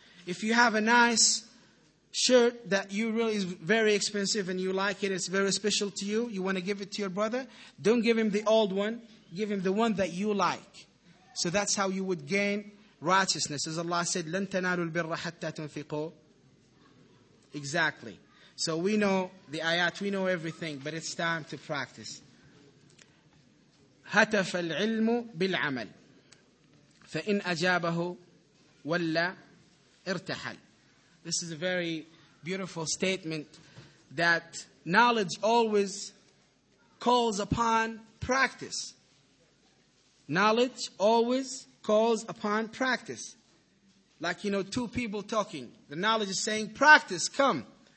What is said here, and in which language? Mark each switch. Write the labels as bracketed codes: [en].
[en] If you have a nice shirt that you really is very expensive and you like it, it's very special to you, you want to give it to your brother, don't give him the old one, give him the one that you like. So that's how you would gain righteousness. As Allah said, [ar] لَن تَنَالُوا الْبِرَّ حَتَّى تُنْفِقُوا. [en] Exactly. So we know the ayat, we know everything, but it's time to practice. [ar] هتف العلم بالعمل فإن أجابه ولا ارتحل. [en] This is a very beautiful statement that knowledge always calls upon practice. Knowledge always calls upon practice. Like, you know, two people talking. The knowledge is saying, practice, come.